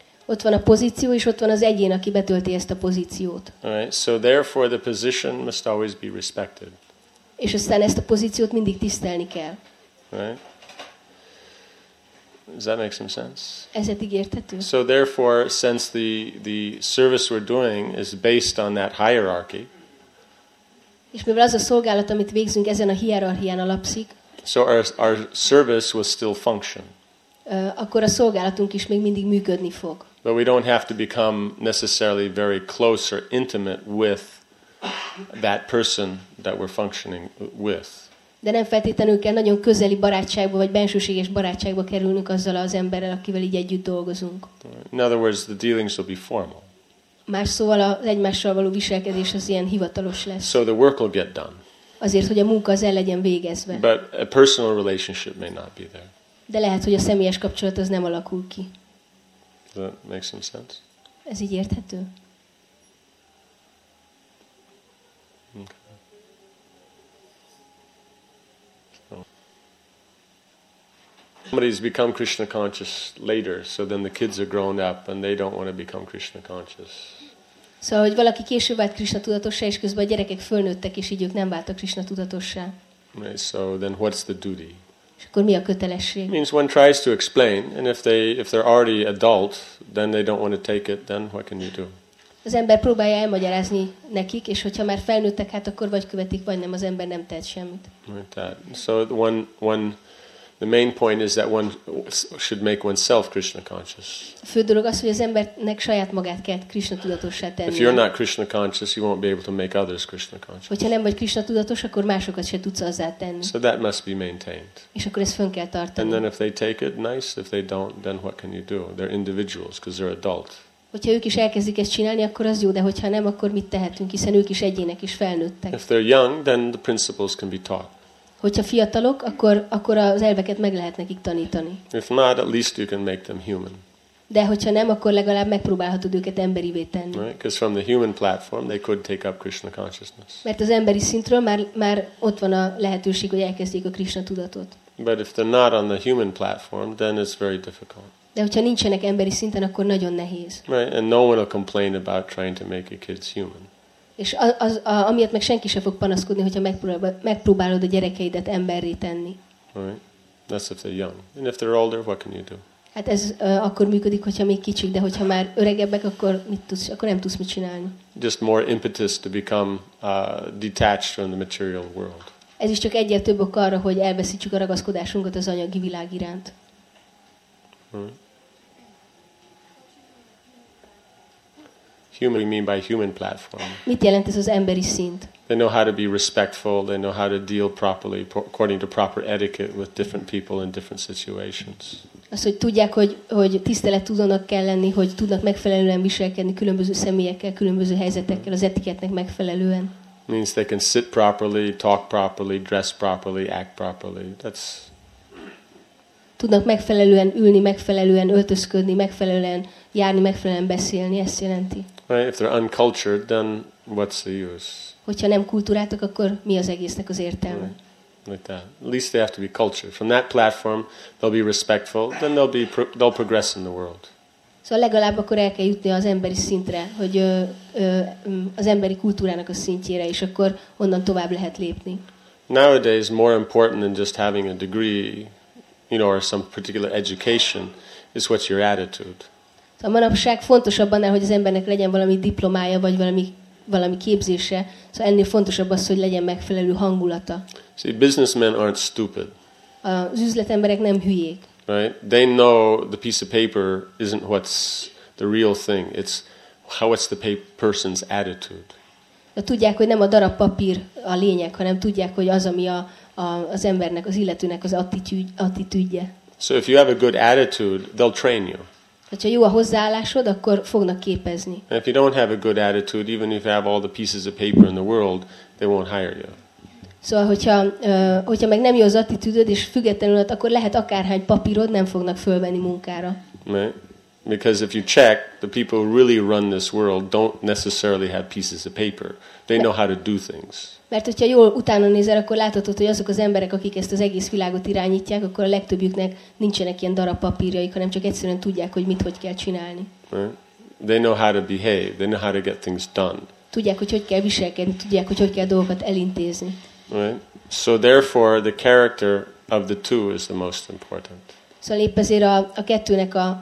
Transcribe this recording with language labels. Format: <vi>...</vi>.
<hu>Ott van a pozíció, és ott van az egyén, aki betölti ezt a pozíciót.</hu> <en>Right? So therefore the position must always be respected.</en> <hu>És aztán ezt a pozíciót mindig tisztelni kell.</hu> <en>Right? Does that make some sense?</en> <hu>Ezért ígértető.</hu> <en>So therefore, since the service we're doing is based on that hierarchy.</en> <hu>És mivel az a szolgálat, amit végzünk, ezen a hierarchián alapszik.</hu> <en>So our service will still function.</en> <hu>Akkor a szolgálatunk is még mindig működni fog.</hu> <en>But we don't have to become necessarily very close or intimate with that person that we're functioning with.</en> <hu>De nem feltétlenül kell nagyon közeli barátságba vagy bensőséges barátságba kerülnünk azzal az emberrel, akivel így együtt dolgozunk.</hu> <en>In other words, the dealings will be formal.</en> <hu>Más szóval az egymással való viselkedés az ilyen hivatalos lesz.</hu> <en>So the work will get done.</en> <hu>Azért, hogy a munka az el legyen végezve.</hu> <en>But a personal relationship may not be there.</en> <hu>De lehet, hogy a személyes kapcsolat az nem alakul ki.</hu> <en>Does that make some sense?</en> <hu>Ez így érthető?</hu> <en>Okay. Somebody's become Krishna conscious later, so then the kids are grown up and they don't want to become Krishna conscious.</en> <hu>Szóval, hogy valaki később vált Krishna tudatossá, és közben a gyerekek fölnőttek, és így ők nem váltak Krishna tudatossá.</hu> <en>Right, so then what's the duty?</en> <hu>És akkor mi a kötelesség?</hu> <en>Means one tries to explain, and if they're already adult, then they don't want to take it, then what can you do?</en> <hu>Az ember próbálja elmagyarázni nekik, és hogyha már felnőttek, hát akkor vagy követik, vagy nem, az ember nem tehet semmit.</hu> <en>Right, that. So the main point is that one should make oneself Krishna conscious.</en> <hu>Fő dolog az, hogy az embernek saját magát kell Krishna tudatossá tenni.</hu> <en>If you're not Krishna conscious, you won't be able to make others Krishna conscious.</en> <hu>Hogyha nem vagy Krishna tudatos, akkor másokat se tudsz azzá tenni.</hu> <en>So that must be maintained.</en> <hu>És akkor ezt fönn kell tartani.</hu> <en>And then if they take it, nice. If they don't, then what can you do? They're individuals, because they're adult.</en> <hu>Hogyha ők is elkezdik ezt csinálni, akkor az jó, de hogyha nem, akkor mit tehetünk, hiszen ők is egyének is felnőttek.</hu> <en>If they're young, then the principles can be taught.</en> <hu>Hogyha fiatalok, akkor az elveket meg lehet nekik tanítani.</hu> <en>If not, at least you can make them human.</en> <hu>De hogyha nem, akkor legalább megpróbálhatod őket emberivé tenni.</hu> <en>Right? Because from the human platform, they could take up Krishna consciousness.</en> <hu>Mert az emberi szintről már ott van a lehetőség, hogy elkezdjék a Krishna tudatot.</hu> <en>But if they're not on the human platform, then it's very difficult.</en> <hu>De hogyha nincsenek emberi szinten, akkor nagyon nehéz.</hu> <en>Right? And no one will complain about trying to make your kids human.</en> <hu>És amiatt meg senki sem fog panaszkodni, hogyha megpróbálod a gyerekeidet emberré tenni.</hu> <en>Right. That's if they're young. And if they're older, what can you do?</en> <hu>Hát ez akkor működik, hogyha még kicsik, de hogyha már öregebbek, akkor nem tudsz mit csinálni.</hu> <en>Just more impetus to become detached from the material world.</en> <hu>Ez is csak egyre több ok arra, hogy elveszítsük a ragaszkodásunkat az anyagi világ iránt.</hu> <en>Right. Human, we mean by human platform.</en> <hu>Mit jelent ez az emberi szint?</hu> <en>They know how to be respectful. They know how to deal properly, according to proper etiquette, with different people in different situations.</en> <hu>Az, hogy tudják, hogy tisztelet tudónak kell lenni, hogy tudnak megfelelően viselkedni különböző személyekkel, különböző helyzetekkel, az etiketnek megfelelően.</hu> <en>Means they can sit properly, talk properly, dress properly, act properly. That's.</en> <hu>Tudnak megfelelően ülni, megfelelően öltözködni, megfelelően járni, megfelelően beszélni. Ezt jelenti.</hu> <en>Right, if they're uncultured, then what's the use?</en> <hu>Hogyha nem kultúráltak, akkor mi az egésznek az értelme?</hu> <en>Like that. At least they have to be cultured. From that platform, they'll be respectful. Then they'll progress in the world.</en> <hu>Szóval legalább akkor el kell jutni az emberi szintre, hogy az emberi kultúrának a szintjére, és akkor onnan tovább lehet lépni.</hu> <en>Nowadays, more important than just having a degree, you know, or some particular education, is what's your attitude.</en> <hu>A manapság fontosabb annál, hogy az embernek legyen valami diplomája, vagy valami képzése. Szóval ennél fontosabb az, hogy legyen megfelelő hangulata.</hu> <en>See, businessmen aren't stupid.</en> <hu>Az üzletemberek nem hülyék.</hu> <en>Right? They know the piece of paper isn't what's the real thing. It's how it's the person's attitude.</en> <hu>De tudják, hogy nem a darab papír a lényeg, hanem tudják, hogy az, ami az embernek, az illetőnek az attitűdje.</hu> <en>So if you have a good attitude, they'll train you.</en> <hu>Hogyha jó a hozzáállásod, akkor fognak képezni.</hu> <en>And if you don't have a good attitude, even if you have all the pieces of paper in the world, they won't hire you.</en> <hu>Szóval, hogyha meg nem jó az attitűdöd, és függetlenül, akkor lehet akárhány papírod, nem fognak fölvenni munkára.</hu> <en>Right? Because if you check, the people who really run this world don't necessarily have pieces of paper. They know how to do things.</en> <hu>Mert hogyha jól utána nézel, akkor láthatod, hogy azok az emberek, akik ezt az egész világot irányítják, akkor a legtöbbjüknek nincsenek ilyen darab papírjaik, hanem csak egyszerűen tudják, hogy mit hogy kell csinálni.</hu> <en>Right? They know how to behave. They know how to get things done.</en> <hu>Tudják, hogy hogy kell viselkedni, tudják, hogy hogy kell dolgokat elintézni.</hu> <en>Right? So therefore the character of the two is the most important.</en> <hu>Szóval épp ezért a kettőnek</hu>